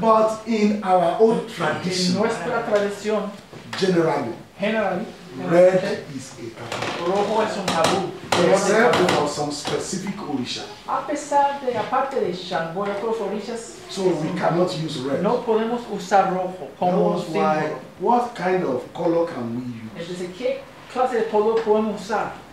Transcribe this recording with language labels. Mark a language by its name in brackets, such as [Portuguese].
[English] But in our old tradition, [Spanish] en nuestra tradición, [English] generally. Red is a taboo. [Spanish] Rojo es un tabú. [English] Except for some specific orisha. [Spanish] A pesar de, aparte de Shango, hay otros orishas. [English] So we cannot use red. [Spanish] No podemos usar rojo como un símbolo. [English] Why, what kind of color can we use? [Spanish] Es decir, ¿qué clase de color podemos usar?